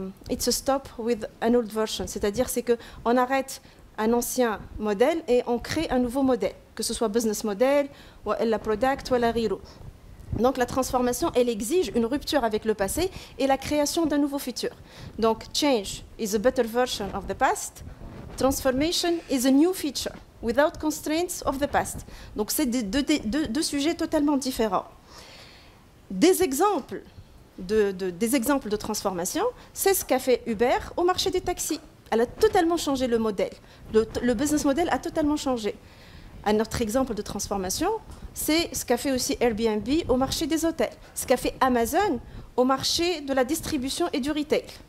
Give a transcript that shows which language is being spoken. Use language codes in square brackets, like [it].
[en] It's a stop with an old version. [fr] C'est-à-dire c'est que on arrête un ancien modèle et on crée un nouveau modèle, que ce soit business model ou la product ou la rilo. Donc la transformation, elle exige une rupture avec le passé et la création d'un nouveau futur. [en] Donc change is a better version of the past. Transformation is a new future without constraints of the past. [fr] Donc c'est deux sujets totalement différents. Des exemples de transformation, c'est ce qu'a fait Uber au marché des taxis. Elle a totalement changé le modèle. Le business model a totalement changé. Un autre exemple de transformation, c'est ce qu'a fait aussi Airbnb au marché des hôtels, ce qu'a fait Amazon au marché de la distribution et du retail.